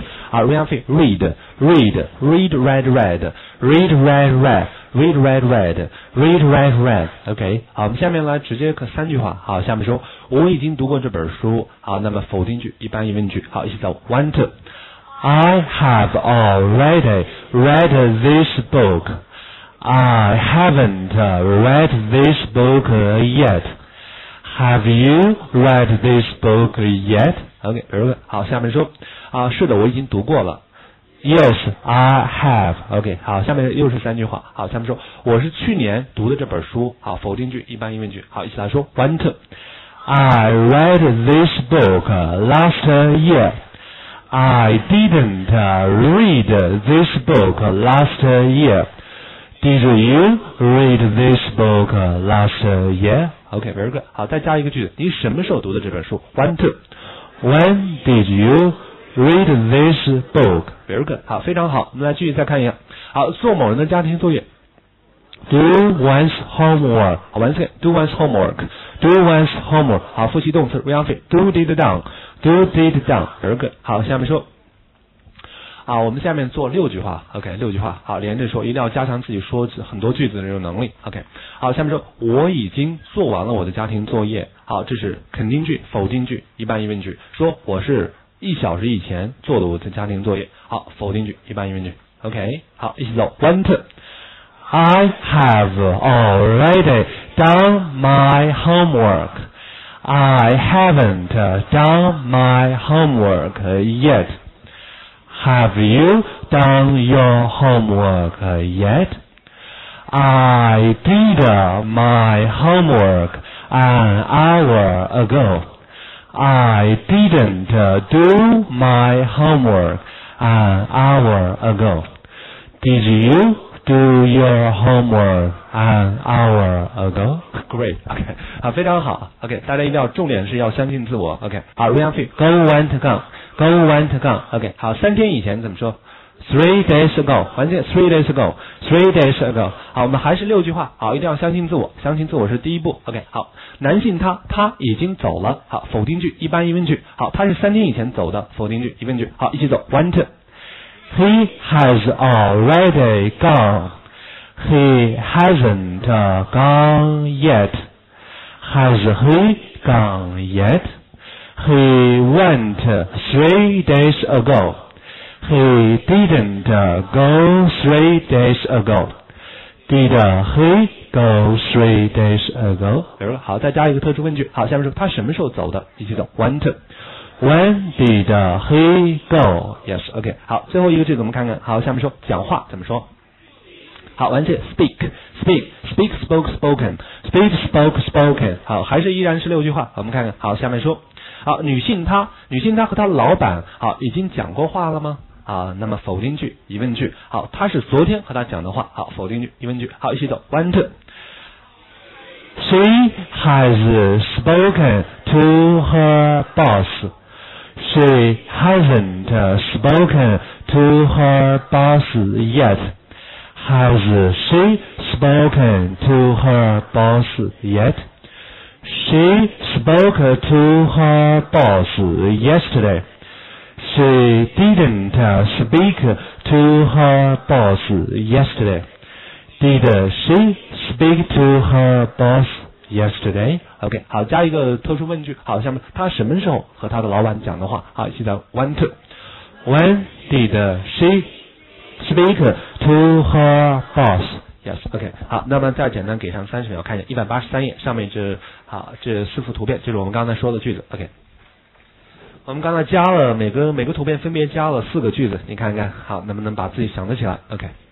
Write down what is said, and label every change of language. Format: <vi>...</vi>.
<zh>好</zh> <en>read, read, read, read, read, read, read, read, read, read.</en> <zh>OK, 好，我们下面来直接看三句话。好，下面说，我已经读过这本书。好，那么否定句，一般疑问句。好，一起走 ，</zh> <en>one, two. I have already read this book. I haven't read this book yet. Have you read this book yet?</en> <zh>OK, 好，下面说啊，是的，我已经读过了。</zh> <en>Yes, I have.</en> <zh>OK, 好，下面又是三句话。好，下面说，我是去年读的这本书。好，否定句，一般疑问句。好，一起来说 ，</zh> <en>One, two. I read this book last year. I didn't read this book last year. Did you read this book last year? Okay, very good.</en> <zh>好，再加一个句子。你什么时候读的这本书 ？</zh> <en>One, two. When did you read this book? Very good.</en> <zh>好，非常好。我们来继续再看一下。好，做某人的家庭作业。</zh> <en>Do one's homework.</en> <zh>好，完成。</zh> <en>Do one's homework. Do one's homework.</en> <zh>好，复习动词 ，</zh> <en>read it. Do did done. Do did done. Very good.</en> <zh>好，下面说。好，我们下面做六句话 ，OK， 六句话，好，连着说，一定要加强自己说很多句子的这种能力 ，OK。好，下面说，我已经做完了我的家庭作业。好，这是肯定句、否定句、一般疑问句。说我是一小时以前做的我的家庭作业。好，否定句、一般疑问句 ，OK。好，一起走 ，</zh> <en>One two。 I have already done my homework. I haven't done my homework yet. Have you done your homework yet? I did my homework an hour ago. I didn't do my homework an hour ago. Did you do your homework an hour ago? Great. Okay.</en> <zh>好，非常好。Okay. 大家一定要重点是要相信自我。Okay. 好 ，Ryan Fei.</zh> <en>Go on to go. Go went gone.</en> <zh>Okay. 好，三天以前怎么说</zh> <en>？Three days ago.</en> <zh>完全</zh> <en>three days ago. Three days ago.</en> <zh>好，我们还是六句话。好，一定要相信自我，相信自我是第一步。 Okay. 好，男性他已经走了。好，否定句，一般疑问句。好，他是三天以前走的，否定句，疑问句。好，一起走 ，</zh> <en>went. He has already gone. He hasn't gone yet. Has he gone yet? He went 3 days ago. He didn't go 3 days ago. Did he go 3 days ago?</en> <zh>比如说，好，再加一个特殊问句。好，下面说他什么时候走的？一起走。</zh> <en>Went. When did he go? Yes. OK.</en> <zh>好，最后一个句子我们看看。好，下面说讲话怎么说？好，完结。</zh> <en>Speak, speak, speak, spoke, spoken, speak, spoke, spoken.</en> <zh>好，还是依然是六句话。我们看看。好，下面说。好，女性她和她老板好已经讲过话了吗？啊，那么否定句、疑问句。好，她是昨天和她讲的话。好，否定句、疑问句。好，一起走。</zh> <en>One, two. She has spoken to her boss. She hasn't spoken to her boss yet. Has she spoken to her boss yet? She spoke to her boss yesterday. She didn't speak to her boss yesterday. Did she speak to her boss yesterday?</en> <zh>OK, 好，加一个特殊问句。好，下面他什么时候和他的老板讲的话？好，记得</zh> <en>one, two. When did she speak to her boss? Yes, OK,</en> <zh>好，那么再简单给上30秒，看一下183页上面这四幅图片，就是我们刚才说的句子 ，OK。我们刚才加了每个图片分别加了四个句子，你看看，好，能不能把自己想得起来 ？OK。</zh>